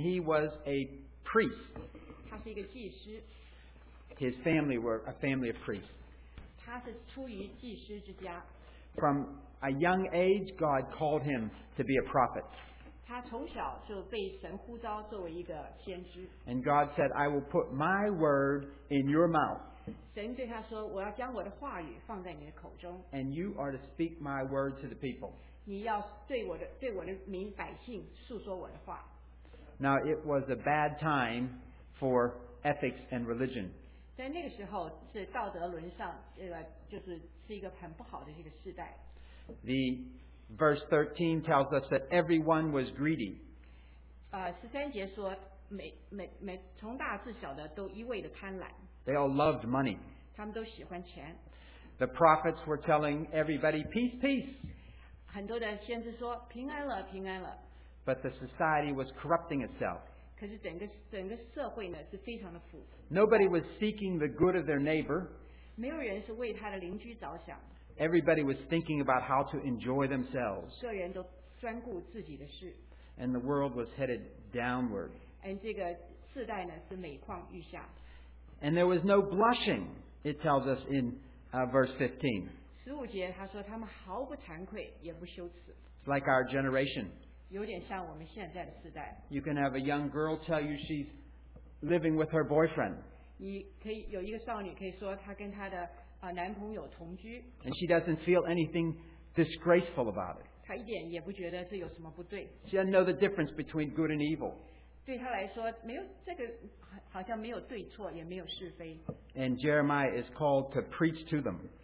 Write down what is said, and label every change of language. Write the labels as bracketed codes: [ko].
[en] he was a priest. [zh] 他是一个祭司。 [en] His family were a family of priests. [zh] 他是出于祭司之家。 [en] From a young age, God called him to be a prophet. [zh] 他从小就被神呼召作为一个先知。 [en] And God said, I will put my word in your mouth. [zh] 神对他说, 我要将我的话语放在你的口中。 [en] And you are to speak my word to the people. [zh] 你要对我的民百姓述说我的话。 [en] Now it was a bad time for ethics and religion. [zh] 在那个时候是道德伦上, 就是一个很不好的一个时代。 [en] The verse 13 tells us that everyone was greedy. [zh] 13节说, 从大至小的都一味的贪婪。 [en] They all loved money. [zh] 他们都喜欢钱。 [en] The prophets were telling everybody, peace, peace. [zh] 很多的先知说, 平安了, 平安了。 [en] But the society was corrupting itself. [zh] 可是整个社会呢, 是非常的腐。 [en] Nobody was seeking the good of their neighbor. [zh] 没有人是为他的邻居着想。 [en] Everybody was thinking about how to enjoy themselves. [zh] 个人都专顾自己的事。 [en] And the world was headed downward. And [zh] 这个世代呢, 是每况愈下。 [en] And there was no blushing. It tells us in verse 15. [zh] 15节, 他说, 他们毫不惭愧, 也不羞耻, [en] it's like our generation. You can have a young girl tell you she's living with her boyfriend. [zh] 你可以有一个少女可以说她跟她的, 男朋友同居, [en] and she doesn't feel anything disgraceful about it. [zh] 她一点也不觉得这有什么不对, [en] she doesn't know the difference between good and evil. [zh] 对她来说, 没有这个, 好像没有对错, 也没有是非, [en] and Jeremiah is called to preach to them.